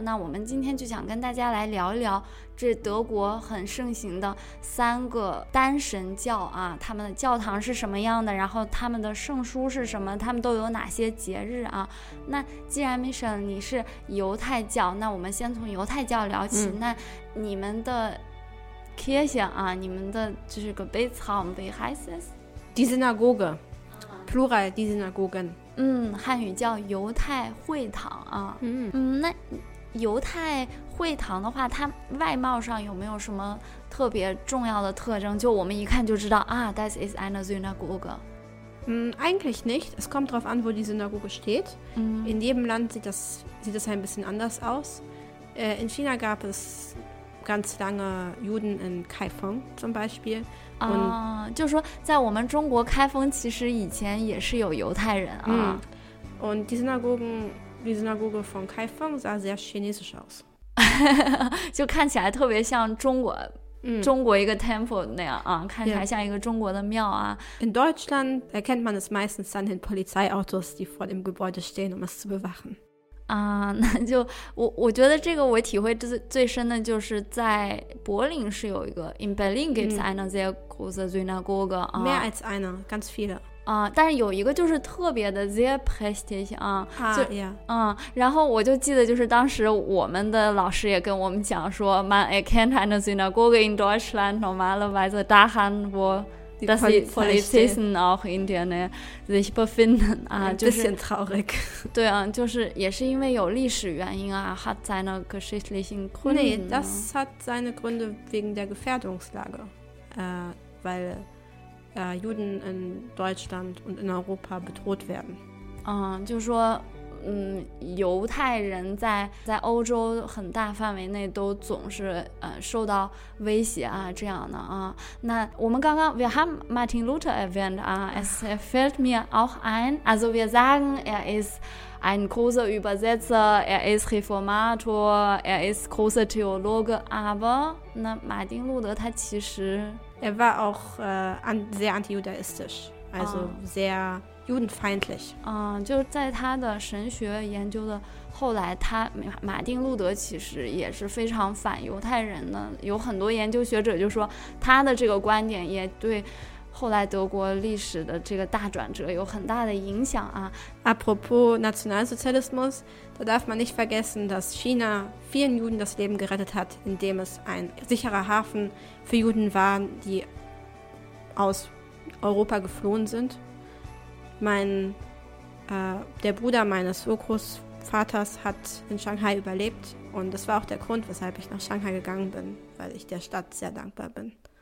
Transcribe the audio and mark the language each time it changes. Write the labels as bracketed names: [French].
[Chinese] 那我们今天就想跟大家来聊一聊这德国很盛行的三个单神教啊，他们的教堂是什么样的，然后他们的圣书是什么，他们都有哪些节日啊。那既然 Mission 你是犹太教，那我们先从犹太教聊起。那你们的Kirche, ah, 你们的就是个 Gebetsraum, [German] wie heißt es? Die Synagoge, Plural, die Synagogen. [Chinese] 汉语叫犹太会堂啊。那犹太会堂的话，它外貌上有没有什么特别重要的特征？就我们一看就知道啊 ， [German] das ist eine Synagoge. Eigentlich nicht. Es kommt darauf an, wo die Synagoge steht. In jedem Land sieht das ein bisschen anders aus. In China gab es ganz lange Juden in Kaifeng zum Beispiel. [Chinese] 就是说在我们中国开封其实以前也是有犹太人啊。 [German] Und die Synagoge von Kaifeng sah sehr chinesisch aus. [Chinese] 就看起来特别像中国一个 Temple 那样啊，看起来像一个中国的庙啊。 [German] In Deutschland erkennt man es meistens an den Polizeiautos, die vor dem Gebäude stehen, um es zu bewachen. [Chinese] 那就我觉得这个我体会最深的就是在柏林是有一个 ， [German] in Berlin gibt's eine sehr große Synagoge. Mehr als eine, ganz viele. [Chinese] 但是有一个就是特别的 [German] sehr prestigious [Chinese] 啊。 [English] Yeah. [Chinese] 然后我就记得就是当时我们的老师也跟我们讲说 [German] ，man erkennt eine Synagoge in Deutschland normalerweise daran, wo dass die Polizisten auch in der Nähe sich befinden. Ein bisschen traurig. [Chinese] 对啊，就是也是因为有历史原因啊 [German] hat seine geschichtlichen Gründe. Nee, das hat seine Gründe wegen der Gefährdungslage. Weil Juden in Deutschland und in Europa bedroht werden. 就是说犹太人在欧洲很大范围内都总是受到威胁啊，这样的啊。 [Chinese] 那我们刚刚 [German] wir haben Martin Luther erwähnt, es fällt mir auch ein, also wir sagen, er ist ein großer Übersetzer, er ist Reformator, er ist großer Theologe, aber na, Martin Luther, er war auch sehr antijudaistisch, also sehr judenfeindlich. [Chinese] 就在他的神学研究的后来，他马丁路德其实也是非常反犹太人的，有很多研究学者就说他的这个观点也对后来德国历史的这个大转折有很大的影响啊。 [German] Apropos Nationalsozialismus, da darf man nicht vergessen, dass China vielen Juden das Leben gerettet hat, indem es ein sicherer Hafen für Juden war, die aus Europa geflohen sind. Der Bruder meines Urgroßvaters hat in Shanghai überlebt und das war auch der Grund, weshalb ich nach Shanghai gegangen bin, weil ich der Stadt sehr dankbar bin.